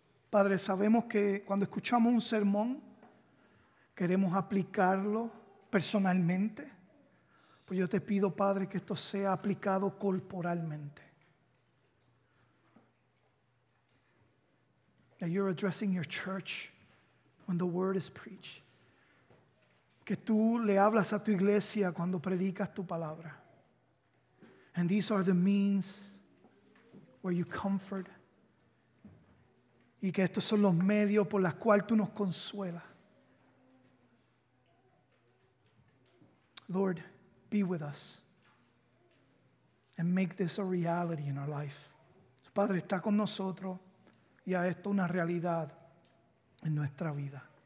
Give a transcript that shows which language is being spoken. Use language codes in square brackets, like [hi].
[es] Padre, sabemos que cuando escuchamos un sermón, queremos aplicarlo personalmente. Pues yo te pido, Padre, que esto sea aplicado corporalmente. [en] That you're addressing your church when the word is preached. [es] Que tú le hablas a tu iglesia cuando predicas tu palabra. [en] And these are the means where you comfort. [es] Y que estos son los medios por los cuales tú nos consuelas. [en] Lord, be with us. And make this a reality in our life. [es] Padre, está con nosotros. Y a esto una realidad en nuestra vida.